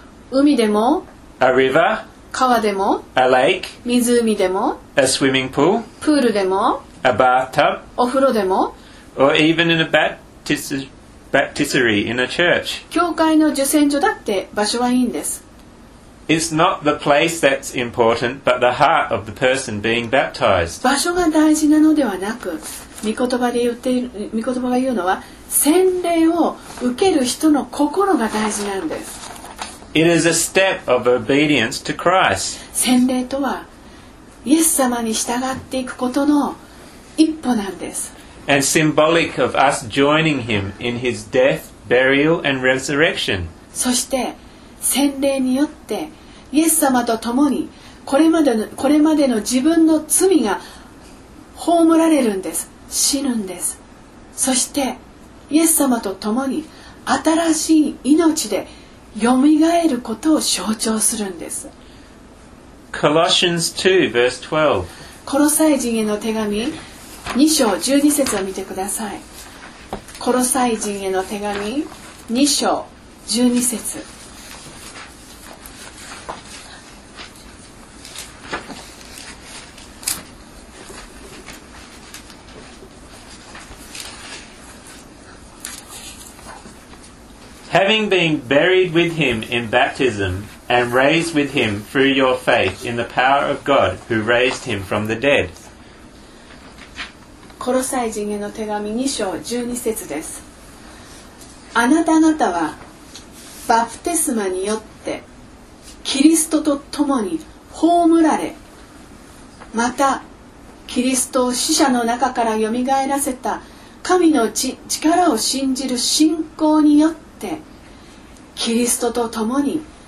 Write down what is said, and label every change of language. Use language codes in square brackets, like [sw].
[ja] 海でも、 [en] a river. [ja] 川でも、 [en] a lake. [ja] 湖でも、 [en] a swimming pool. [ja] プールでも、 [en] a bathtub. [ja] お風呂でも、 [en] or even in a baptistry in a church. [ja] 教会の受洗所だって場所はいいんです。 [en] It's not the place that's important, but the heart of the person being baptized. [ja] 場所が大事なのではなく、御言葉が言うのは、洗礼を受ける人の心が大事なんです。 [en] It is a step of obedience to Christ. [ja] 洗礼とは、イエス様に従っていくことの一歩なんです。 [en] And symbolic of us joining him in his death, burial, and resurrection. [ja] そして、洗礼によってイエス様と共にこれまでの自分の罪が葬られるんです。死ぬんです。そしてイエス様と共に新しい命でよみがえることを象徴するんです。 [en] Colossians 2, verse 12. [ja] コロサイ人への手紙2章12節を見てください。コロサイ人への手紙2章12節。 [en] Having been buried with him in baptism and raised with him through your faith in the power of God who raised him from the dead. [ja] コロサイ人への手紙2章12節です。あなた方はバプテスマによってキリストと共に葬られ、またキリストを死者の中からよみがえらせた神の力を信じる信仰によって、キリストと共に